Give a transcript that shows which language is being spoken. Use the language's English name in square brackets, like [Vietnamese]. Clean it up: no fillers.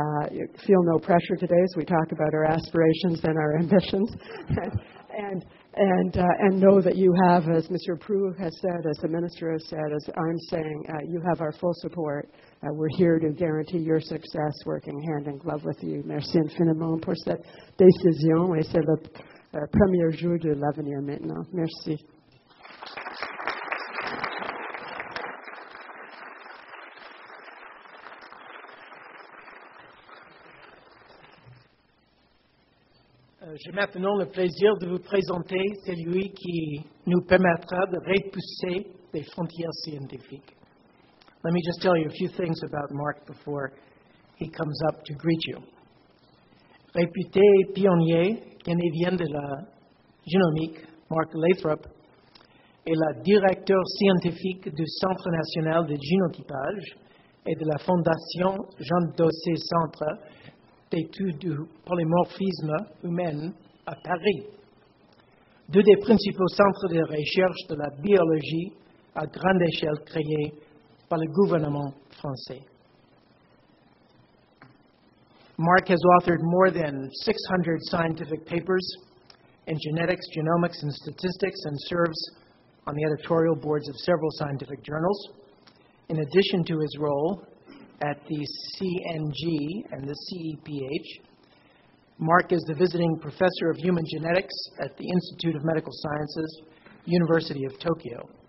[English] Feel no pressure today as we talk about our aspirations and our ambitions. and and know that you have, as Mr. Prue has said, as the minister has said, as I'm saying, you have our full support. We're here to guarantee your success, working hand in glove with you. [French] Merci infiniment pour cette décision. Et c'est le premier jour de l'avenir maintenant. Merci. J'ai maintenant le plaisir de vous présenter celui qui nous permettra de repousser les frontières scientifiques. [English] Let me just tell you a few things about Mark before he comes up to greet you. [French] Réputé pionnier canadien de la génomique, Mark Lathrop est le directeur scientifique du Centre national de génotypage et de la Fondation Jean Dossé Centre d'études du polymorphisme humain à Paris, deux des principaux centres de recherche de la biologie à grande échelle créés par le gouvernement français. [English] Mark has authored more than 600 scientific papers in genetics, genomics, and statistics, and serves on the editorial boards of several scientific journals. In addition to his role at the CNG and the CEPH, Mark is the visiting professor of human genetics at the Institute of Medical Sciences, University of Tokyo.